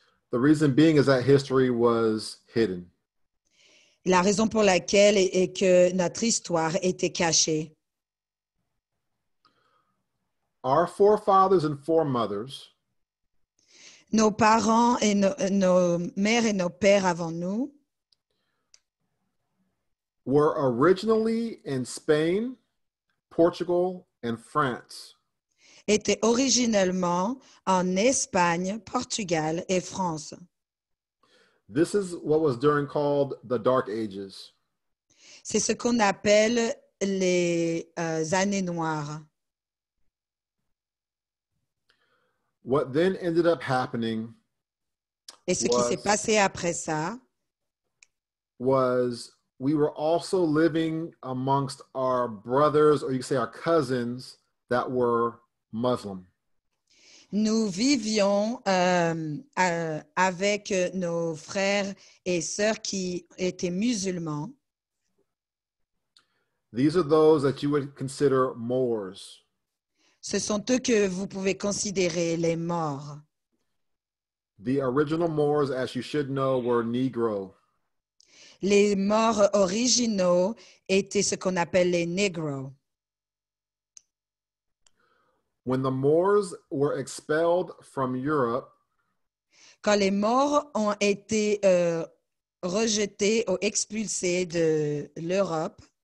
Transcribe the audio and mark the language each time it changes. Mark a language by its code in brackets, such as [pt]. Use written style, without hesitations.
[en] The reason being is that history was hidden. [fr] La raison pour laquelle est que notre histoire était cachée. [en] Our forefathers and foremothers, [fr] nos parents et nos mères et nos pères avant nous, [en] were originally in Spain, Portugal, and France. [fr] Était originellement en Espagne, Portugal et France. [en] This is what was during called the Dark Ages. [fr] C'est ce qu'on appelle les années noires. [en] What then ended up happening? [fr] Et ce qui s'est passé après ça? [en] Was we were also living amongst our brothers, or you could say our cousins, that were Muslim. [fr] Nous vivions avec nos frères et sœurs qui étaient musulmans. [en] These are those that you would consider Moors. [fr] Ce sont eux que vous pouvez considérer les Maures. [en] The original Moors, as you should know, were Negro. [fr] Les morts originaux étaient ce qu'on appelle les Negros. [en] When the Moors were expelled from Europe, [fr] quand les morts ont été rejetés ou expulsés de l'Europe,